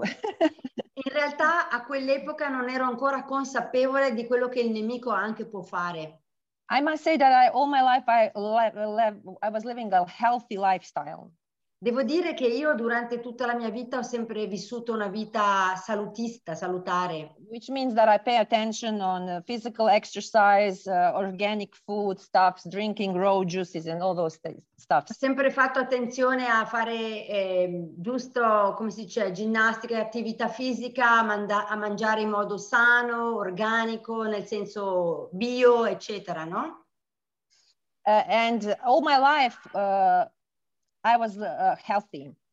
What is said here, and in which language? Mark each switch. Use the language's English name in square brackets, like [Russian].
[Italian] In realtà a quell'epoca non ero ancora consapevole di quello che il nemico anche può fare. [English] I must say that all my life I was living a healthy lifestyle. [Italian] Devo dire che io durante tutta la mia vita ho sempre vissuto una vita salutista, salutare. [English] Which means that I pay attention on physical exercise, organic food stuffs, drinking raw juices and all those stuffs. [Italian] Ho sempre fatto attenzione a fare giusto, come si dice, ginnastica e attività fisica, a mangiare in modo sano, organico, nel senso bio, eccetera, no? [English] And all my life I was healthy.